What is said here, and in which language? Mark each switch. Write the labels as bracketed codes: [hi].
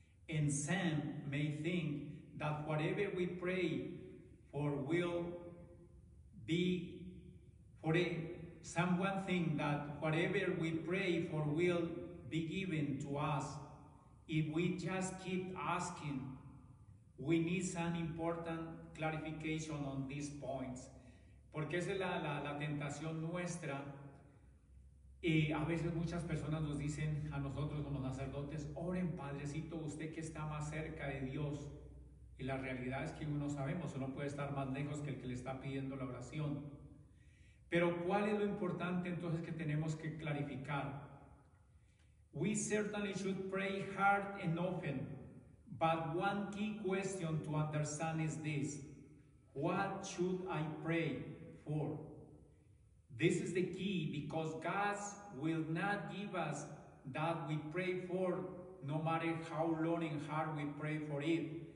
[en] And some may think that whatever we pray for will be for it. Someone think that whatever we pray for will be given to us if we just keep asking. We need some important clarification on these points." [es] Porque esa es la tentación nuestra. Y a veces muchas personas nos dicen a nosotros, como los sacerdotes: "Oren, Padrecito, usted que está más cerca de Dios." Y la realidad es que uno sabemos, uno puede estar más lejos que el que le está pidiendo la oración. Pero ¿cuál es lo importante entonces que tenemos que clarificar? [en] We certainly should pray hard and often, but one key question to understand is this: what should I pray for? This is the key, because God will not give us that we pray for, no matter how long and hard we pray for it.